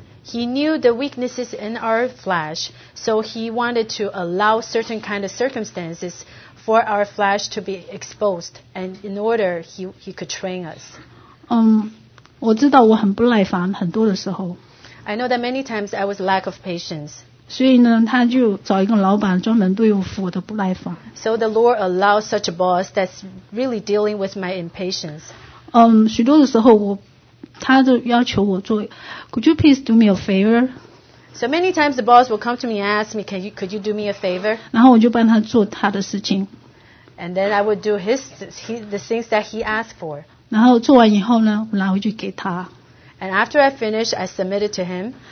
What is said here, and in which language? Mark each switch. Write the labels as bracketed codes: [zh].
[en] He knew the weaknesses in our flesh, so he wanted to allow certain kind of circumstances for our flesh to be exposed, and in order he could train us. [zh] 我知道我很不耐烦，很多的时候。 [en] I know that many times I was lack of patience. [zh] 所以呢，他就找一个老板专门对付我的不耐烦。 [en] So the Lord allowed such a boss that's really dealing with my impatience. [zh] 许多的时候他就要求我做 ， [en] Could you please do me a favor? So many times the boss will come to me and ask me, could you do me a favor? [zh] 然后我就帮他做他的事情。 [en] And then I would do the things that he asked for. [zh] 然后做完以后呢，我拿回去给他。 [en] And after I finished, I submitted to him.